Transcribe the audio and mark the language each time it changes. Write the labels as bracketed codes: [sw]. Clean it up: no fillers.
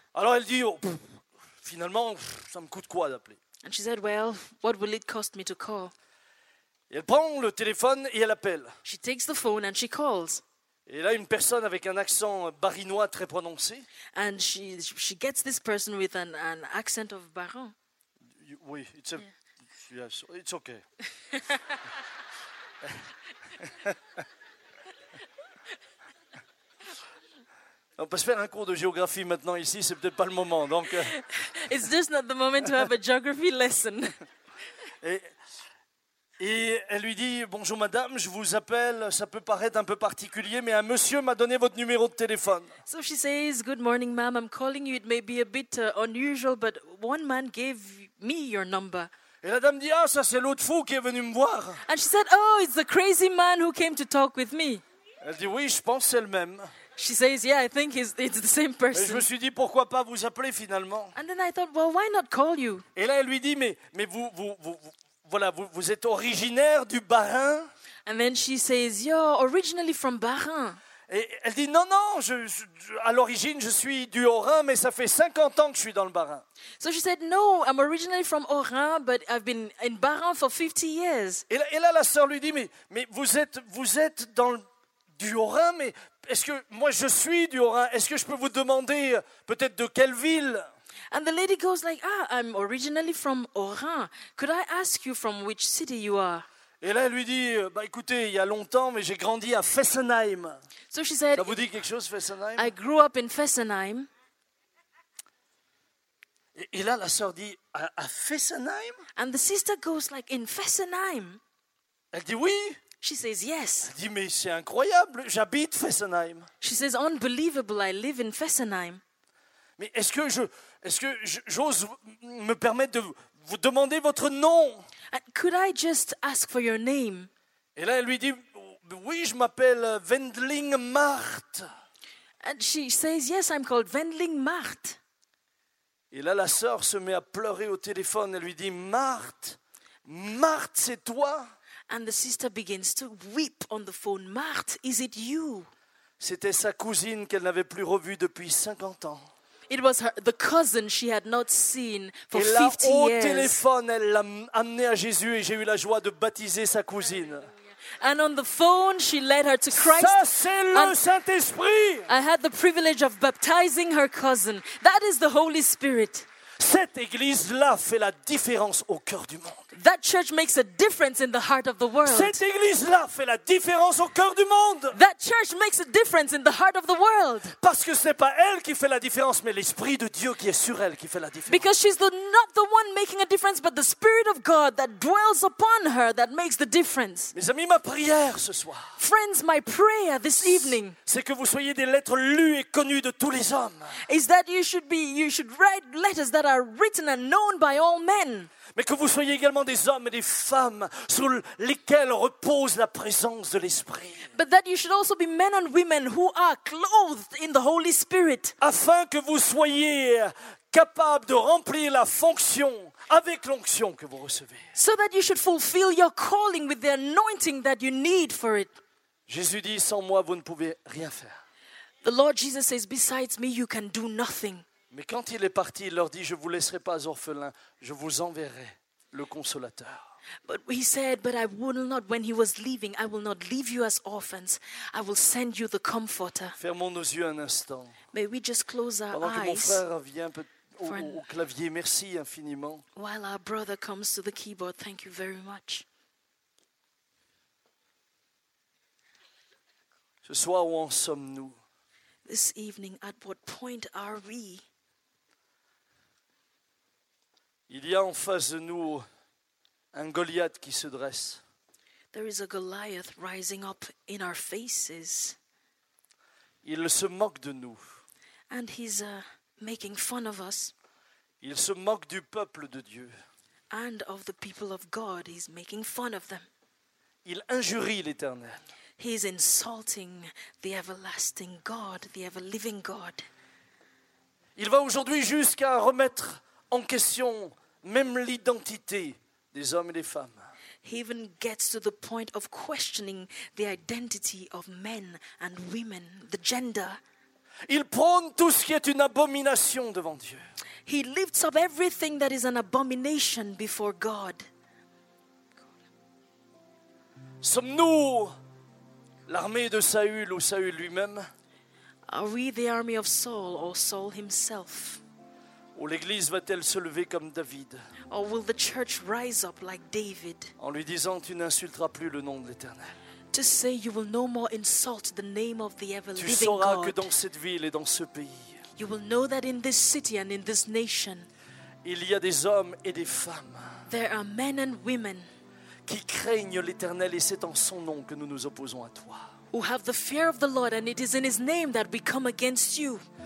[fr] Alors elle dit, oh, finalement, ça me coûte quoi d'appeler? [en] And she said, well, what will it cost me to call? [fr] Et elle prend le téléphone et elle appelle. [en] She takes the phone and she calls. [fr] Et là, une personne avec un accent barinois très prononcé. [en] And she gets this person with an accent of baron. Oui, it's a, yeah. Yes, it's okay. [fr] On peut se faire un cours de géographie maintenant ici, c'est peut-être pas le moment. Donc. [en] It's just not the moment to have a geography lesson. [fr] Et elle lui dit, bonjour madame, je vous appelle, ça peut paraître un peu particulier, mais un monsieur m'a donné votre numéro de téléphone. [en] So she says, good morning ma'am, I'm calling you, it may be a bit unusual, but one man gave me your number. [fr] Et la dame dit, ah ça c'est l'autre fou qui est venu me voir. [en] And she said, oh it's the crazy man who came to talk with me. [fr] Elle dit, oui je pense c'est le même. [en] She says, yeah, I think it's the same person. [fr] Et je me suis dit, pourquoi pas vous appeler finalement. [en] And then I thought, well why not call you. [fr] Et là elle lui dit, mais vous voilà, vous êtes originaire du Bas-Rhin. [en] And then she says, you're originally from Bas-Rhin. [fr] Et elle dit, non, je, à l'origine, je suis du Haut-Rhin, mais ça fait 50 ans que je suis dans le Bas-Rhin. [en] So she said, no, I'm originally from Haut-Rhin, but I've been in Bas-Rhin for 50 years. [fr] Et là, la sœur lui dit, mais vous êtes dans du Haut-Rhin, mais est-ce que moi, je suis du Haut-Rhin, est-ce que je peux vous demander peut-être de quelle ville? [en] And the lady goes like, ah, I'm originally from Haut-Rhin. Could I ask you from which city you are? [fr] Et là, elle lui dit, bah écoutez, il y a longtemps, mais j'ai grandi à Fessenheim. [en] So she said, [fr] ça vous dit quelque chose, Fessenheim? [en] I grew up in Fessenheim. [fr] Et là, la sœur dit, à Fessenheim? [en] And the sister goes like, in Fessenheim? [fr] Elle dit oui. [en] She says yes. [fr] Elle dit, mais c'est incroyable, j'habite Fessenheim. [en] She says, unbelievable, I live in Fessenheim. [fr] Mais est-ce que j'ose me permettre de vous demander votre nom? [en] And could I just ask for your name? [fr] Et là, elle lui dit, oui, je m'appelle Wendling Mart. [en] And she says, yes, I'm called Wendling Mart. [fr] Et là, la sœur se met à pleurer au téléphone. Elle lui dit, Mart, c'est toi? [en] And the sister begins to weep on the phone. Mart, is it you? [fr] C'était sa cousine qu'elle n'avait plus revue depuis 50 ans. [en] It was the cousin she had not seen for 50 [fr] Et là, au téléphone, elle l'a amené à Jésus et j'ai eu la joie de baptiser sa cousine. [en] And on the phone, she led her to Christ. [fr] Ça, c'est le Saint-Esprit. [en] I had the privilege of baptizing her cousin. That is the Holy Spirit. [fr] Cette église-là fait la différence au cœur du monde. [en] That church makes a difference in the heart of the world. [fr] Cette église-là fait la différence au cœur du monde. [en] That church makes a difference in the heart of the world. [fr] Parce que ce n'est pas elle qui fait la différence, mais l'Esprit de Dieu qui est sur elle qui fait la différence. [en] Because she's not the one making a difference, but the Spirit of God that dwells upon her that makes the difference. [fr] Mes amis, ma prière ce soir. [en] Friends, my prayer this evening. [fr] C'est que vous soyez des lettres lues et connues de tous les hommes. [en] Is that you should write letters that are written and known by all men. [fr] Mais que vous soyez également des hommes et des femmes sous lesquels repose la présence de l'Esprit. [en] But that you should also be men and women who are clothed in the Holy Spirit. [fr] Afin que vous soyez capables de remplir la fonction avec l'onction que vous recevez. [en] So that you should fulfill your calling with the anointing that you need for it. [fr] Jésus dit, sans moi, vous ne pouvez rien faire. [en] The Lord Jesus says, besides me, you can do nothing. [fr] Mais quand il est parti, il leur dit, je ne vous laisserai pas orphelins, je vous enverrai le Consolateur. [en] But he said, but I will not, when he was leaving, I will not leave you as orphans, I will send you the Comforter. [fr] Fermons nos yeux un instant. [en] May we just close our [fr] pendant [en] eyes. [fr] Pendant que mon frère vient au clavier, merci infiniment. [en] While our brother comes to the keyboard, thank you very much. [fr] Ce soir, où en sommes-nous? [en] This evening, at what point are we? [fr] Il y a en face de nous un Goliath qui se dresse. [en] There is a Goliath rising up in our faces. [fr] Il se moque de nous. [en] And he's making fun of us. [fr] Il se moque du peuple de Dieu. [en] And of the people of God, he's making fun of them. [fr] Il injurie l'Éternel. [en] He's insulting the everlasting God, the ever-living God. [fr] Il va aujourd'hui jusqu'à remettre en question même l'identité des hommes et des femmes. [en] He even gets to the point of questioning the identity of men and women, the gender. [fr] Il prône tout ce qui est une abomination devant Dieu. [en] He lifts up everything that is an abomination before God. [fr] Sommes-nous l'armée de Saül ou Saül lui-même? [en] Are we the army of Saul or Saul himself? [fr] Ou l'église va-t-elle se lever comme David? [en] Or will the church rise up like David? [fr] En lui disant, tu n'insulteras plus le nom de l'Éternel. [en] To say you will no more insult the name of the ever-living God. [fr] Tu sauras que dans cette ville et dans ce pays, [en] you will know that in this city and in this nation, [fr] il y a des hommes et des femmes, [en] there are men and women, [fr] qui craignent l'Éternel et c'est en son nom que nous nous opposons à toi. [en] Who have the fear of the Lord and it is in his name that we come against you.